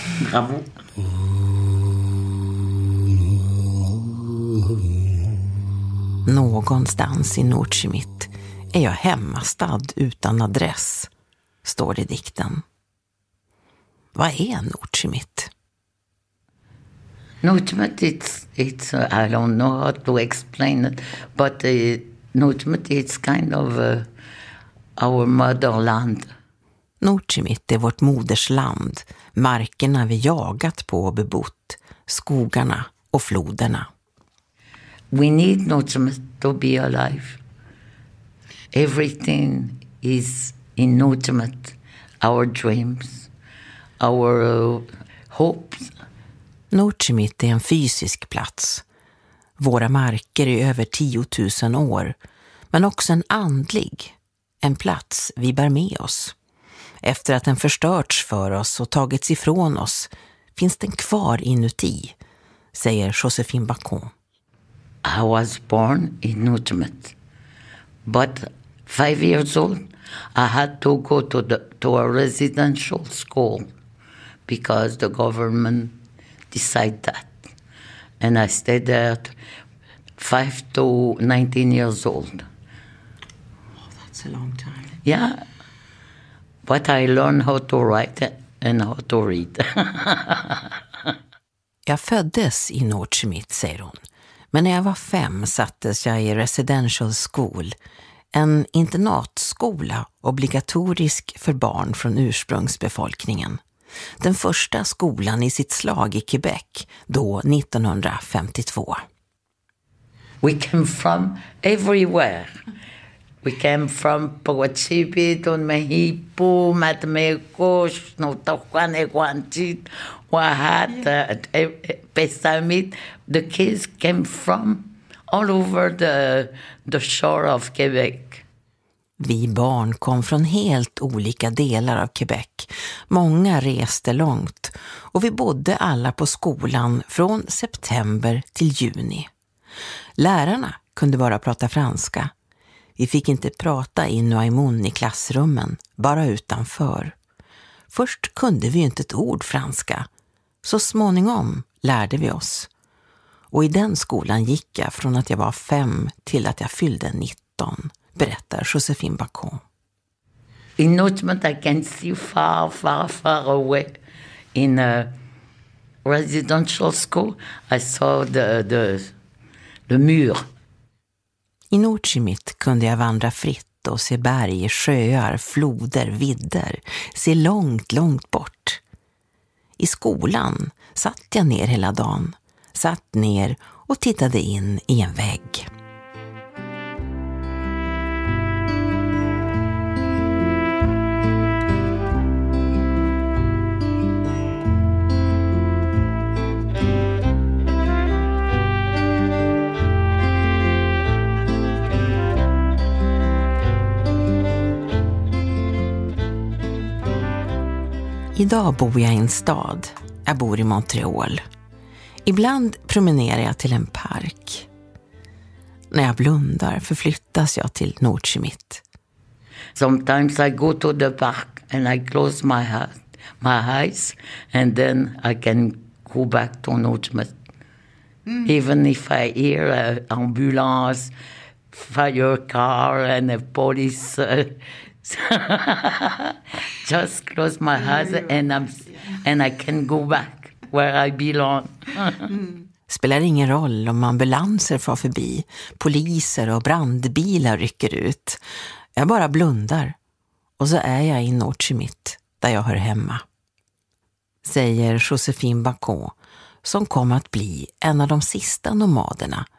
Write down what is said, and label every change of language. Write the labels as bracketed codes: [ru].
[sv] Bravo. Någonstans i Nutjimit är jag hemmastad utan adress, står det i dikten. Vad är Nutjimit? [en] Nutjimit, it's I don't know how to explain it, but Nutjimit is kind of our motherland. [sv] Nutjimit är vårt modersland, markerna vi jagat på och bebott, skogarna och floderna. [en] We need Nutjimit to be alive. Everything is in Nutjimit, our dreams, our hopes. [sv] Nutjimit är en fysisk plats. Våra marker är över 10 000 år, men också en andlig, en plats vi bär med oss. Efter att den förstörts för oss och tagits ifrån oss, finns den kvar inuti, säger Josephine Bacon. [en] I was born in Nutjimit, but 5 years old I had to go to a residential school because the government decide that, and I stayed there 5 to 19 years old. Oh, that's a long time. Yeah, but I learned how to write and how to read. [sv] Jag föddes i Nutjimit, säger hon. Men när jag var 5 sattes jag i residential school, en internatskola obligatorisk för barn från ursprungsbefolkningen. Den första skolan i sitt slag i Quebec, då 1952. [en] We came from everywhere. We came from Pouachipi, Don Mejipo, Matmeko, Snotokwan, Eguantit, Wahat, Pesamit. The kids came from all over the shore of Quebec. [sv] Vi barn kom från helt olika delar av Quebec. Många reste långt och vi bodde alla på skolan från september till juni. Lärarna kunde bara prata franska. Vi fick inte prata inuaimun i klassrummen, bara utanför. Först kunde vi inte ett ord franska. Så småningom lärde vi oss. Och i den skolan gick jag från att jag var 5 till att jag fyllde 19. Berättar Josephine Bacon. [en] In Nutjimit I can see far, far, far away. In a residential school I saw the mur. [sv] I Nutjimit kunde jag vandra fritt och se berg, sjöar, floder, vidder. Se långt, långt bort. I skolan satt jag ner hela dagen. Satt ner och tittade in i en vägg. Idag bor jag i en stad. Jag bor i Montreal. Ibland promenerar jag till en park. När jag blundar förflyttas jag till Nutjimit. [en] Sometimes I go to the park and I close my eyes and then I can go back to Nutjimit. Even if I hear an ambulance, fire car and a police. Just close my eyes and I can go back where I belong. [sv] Spelar ingen roll om ambulanser far förbi, poliser och brandbilar rycker ut. Jag bara blundar och så är jag i Nutjimit där jag hör hemma. Säger Josephine Bacon, som kom att bli en av de sista nomaderna